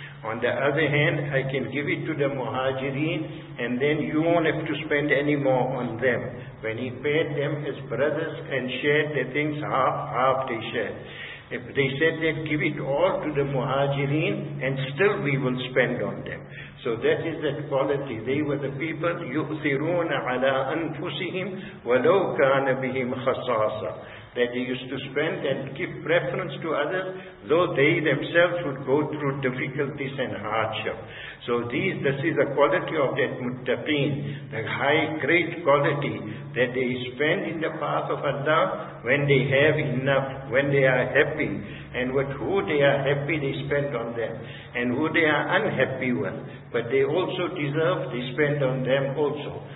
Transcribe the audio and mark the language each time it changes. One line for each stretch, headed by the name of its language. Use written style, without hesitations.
English: On the other hand, I can give it to the Muhajireen, and then you won't have to spend any more on them. When he paid them as brothers and shared the things half they shared. If they said they'd give it all to the Muhajireen, and still we will spend on them. So that is that quality. They were the people,
Arabic: يُؤْثِرُونَ عَلَىٰ أَنفُسِهِمْ وَلَوْ كَانَ بِهِمْ خَصَاصًا.
English: That they used to spend and give preference to others, though they themselves would go through difficulties and hardship. So this is the quality of that muttaqeen, the high, great quality, that they spend in the path of Allah when they have enough, when they are happy, and with who they are happy, they spend on them, and who they are unhappy with, but they also deserve, they spend on them also.